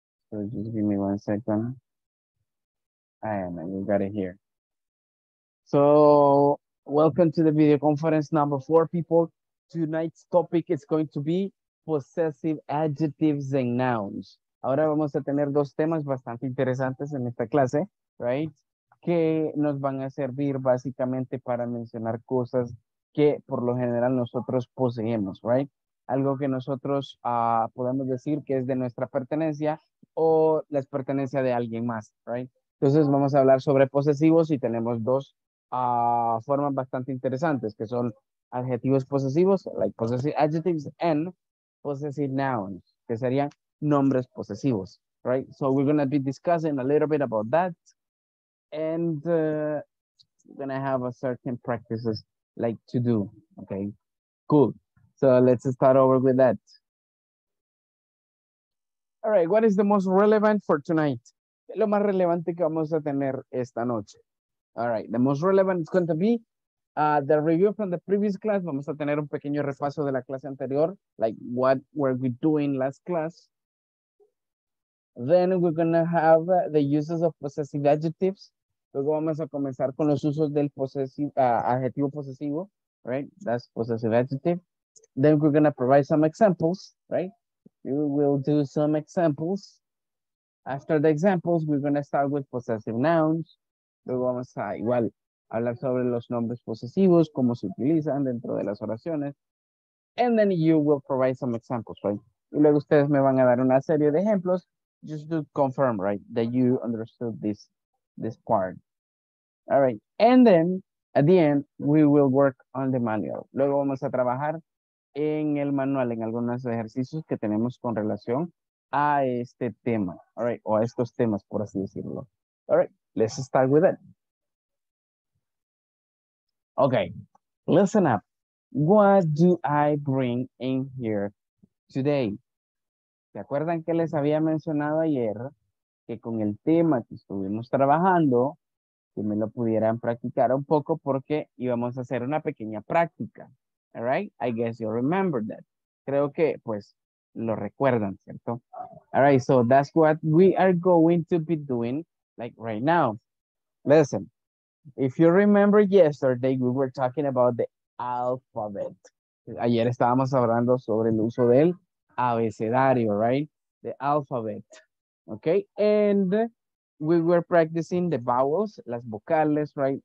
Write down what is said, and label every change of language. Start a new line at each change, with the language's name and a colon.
English: So just give me 1 second. And we got it here. So welcome to the video conference number 4, people. Tonight's topic is going to be possessive adjectives and nouns.
Spanish: Ahora vamos a tener dos temas bastante interesantes en esta clase, right? Que nos van a servir básicamente para mencionar cosas que por lo general nosotros poseemos, right? Algo que nosotros podemos decir que es de nuestra pertenencia o la pertenencia de alguien más, right? Entonces vamos a hablar sobre posesivos y tenemos dos formas bastante interesantes que son adjetivos posesivos,
English: like possessive adjectives and possessive nouns,
Spanish: que serían nombres posesivos, right?
English: So we're going to be discussing a little bit about that. And we're going to have a certain practices like to do, okay? Cool. So let's start over with that. All right, what is the most relevant for tonight?
Spanish: ¿Qué es lo más relevante que vamos a tener esta noche?
English: All right, the most relevant is going to be the review from the previous class.
Spanish: Vamos a tener un pequeño repaso de la clase anterior,
English: like what were we doing last class. Then we're going to have the uses of possessive adjectives.
Spanish: Luego vamos a comenzar con los usos del posesivo, adjetivo posesivo, right?
English: That's possessive adjective. Then we're going to provide some examples, right? We will do some examples. After the examples, we're going to start with possessive nouns.
Spanish: Luego vamos a igual hablar sobre los nombres posesivos, cómo se utilizan dentro de las oraciones.
English: And then you will provide some examples, right?
Spanish: Y luego ustedes me van a dar una serie de ejemplos
English: just to confirm, right, that you understood this part. All right. And then, at the end, we will work on the manual.
Spanish: Luego vamos a trabajar en el manual, en algunos ejercicios que tenemos con relación a este tema.
English: All right.
Spanish: O a estos temas, por así decirlo.
English: All right. Let's start with it. Okay. Listen up. What do I bring in here today?
Spanish: ¿Se acuerdan que les había mencionado ayer que con el tema que estuvimos trabajando, que me lo pudieran practicar un poco porque íbamos a hacer una pequeña práctica?
English: All right? I guess you remember that.
Spanish: Creo que, pues, lo recuerdan, ¿cierto?
English: All right, so that's what we are going to be doing, like, right now. Listen, if you remember yesterday, we were talking about the alphabet.
Spanish: Ayer estábamos hablando sobre el uso del abecedario, right?
English: The alphabet. Okay? And we were practicing the vowels,
Spanish: las vocales,
English: right?